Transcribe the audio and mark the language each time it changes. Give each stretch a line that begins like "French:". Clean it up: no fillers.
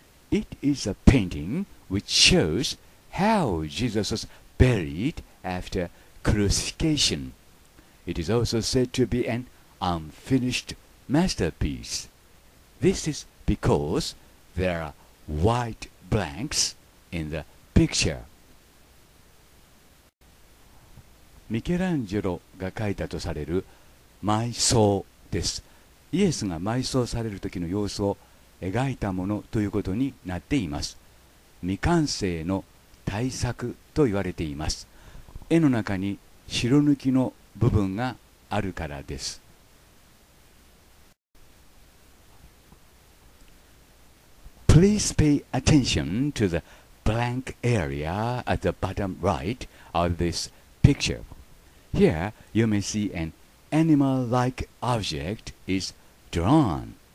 English: It is a painting which shows how Jesus was buried after crucifixion. It is also said to be an unfinished masterpiece. This is because there are white blanks in the picture.
Japanese: ミケランジェロが描いたとされる埋葬です。イエスが埋葬される時の様子を描いたものということになっています。未完成の大作と言われています。絵の中に白抜きの部分があるからです。
English: Please pay attention to the blank area at the bottom right of this picture. Here, you may see an animal-like object is drawn.